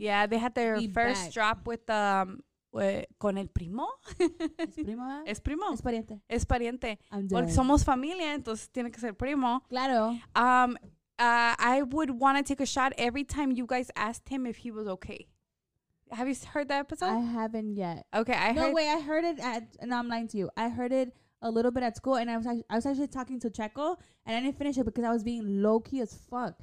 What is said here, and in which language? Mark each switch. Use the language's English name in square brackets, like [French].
[English] Yeah, they had their first drop with [Spanish] con el primo. Es primo. Es pariente. Es pariente. Porque somos familia, entonces tiene que ser primo. Claro. [English] I would want to take a shot every time you guys asked him if he was okay. Have you heard that episode? I haven't yet. Okay, I heard it at, no, I'm lying to you. I heard it a little bit at school, and I was actually talking to Checo, and I didn't finish it because I was being low key as fuck.